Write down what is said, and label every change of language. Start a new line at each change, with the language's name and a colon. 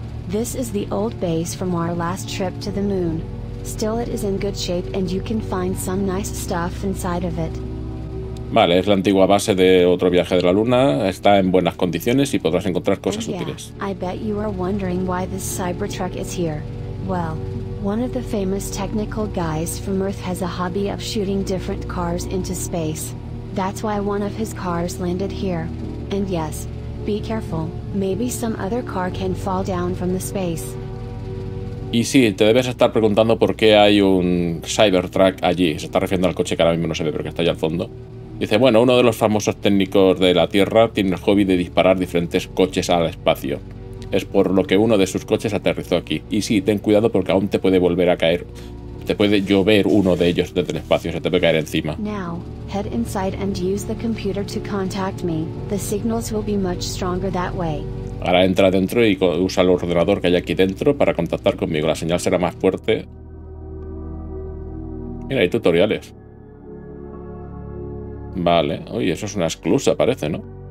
English: This is the old base from our last trip to the moon. Still it is in good shape and you can find some nice stuff inside of it.
Spanish: Vale, es la antigua base de otro viaje de la luna. Está en buenas condiciones y podrás encontrar cosas útiles.
English: I bet you are wondering why this Cybertruck is here. Well, one of the famous technical guys from Earth has a hobby of shooting different cars into space. That's why one of his cars landed here. And yes, be careful, maybe some other car can fall down from the space.
Spanish: Y sí, te debes estar preguntando por qué hay un Cybertruck allí. Se está refiriendo al coche que ahora mismo no se ve, pero que está allá al fondo. Dice, bueno, uno de los famosos técnicos de la Tierra tiene el hobby de disparar diferentes coches al espacio. Es por lo que uno de sus coches aterrizó aquí. Y sí, ten cuidado porque aún te puede volver a caer. Te puede llover uno de ellos desde el espacio, se te puede caer encima.
English: Now, head inside and use the computer to contact me. The signals will be much stronger that way.
Spanish: Ahora entra dentro y usa el ordenador que hay aquí dentro para contactar conmigo. La señal será más fuerte. Mira, hay tutoriales. Vale. Uy, eso es una esclusa, parece, ¿no?